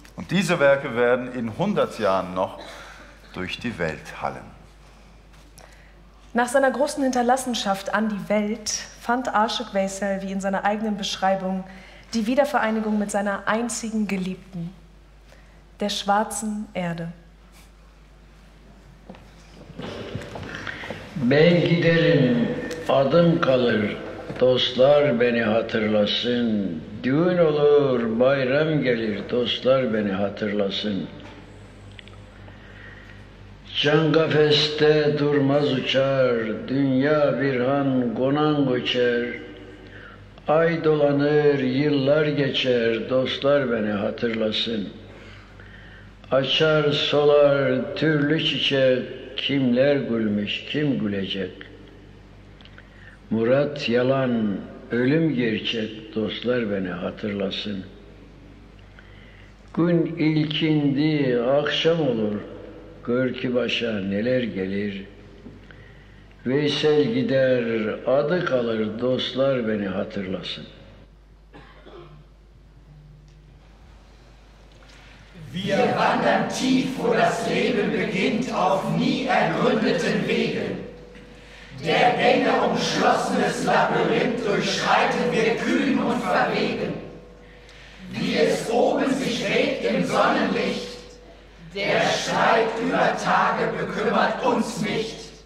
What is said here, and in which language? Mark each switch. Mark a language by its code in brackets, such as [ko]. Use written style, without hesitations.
[de] Und diese Werke werden in 100 Jahren noch durch die Welt hallen. Nach seiner großen Hinterlassenschaft an die Welt fand Ashiq Veysel, wie in seiner eigenen Beschreibung, die Wiedervereinigung mit seiner einzigen Geliebten, der schwarzen Erde. [tr] Ben giderim, adım kalır, dostlar beni hatırlasın. Düğün olur, bayram gelir, dostlar beni hatırlasın. Can kafeste durmaz uçar, dünya bir han konan göçer. Ay dolanır, yıllar geçer, dostlar beni hatırlasın. Açar solar türlü çiçek, kimler gülmüş, kim gülecek? Murat yalan, ölüm gerçek, dostlar beni hatırlasın. Gün ilkindi, akşam olur, gör ki başa neler gelir. Veysel gider, adı kalır, dostlar beni hatırlasın. [de] Wir wandern tief, wo das Leben beginnt, auf nie ergründeten Wegen. Der enge umschlossenes Labyrinth durchschreiten wir kühn und verwegen. Wie es oben sich regt im Sonnenlicht, der Streit über Tage bekümmert uns nicht.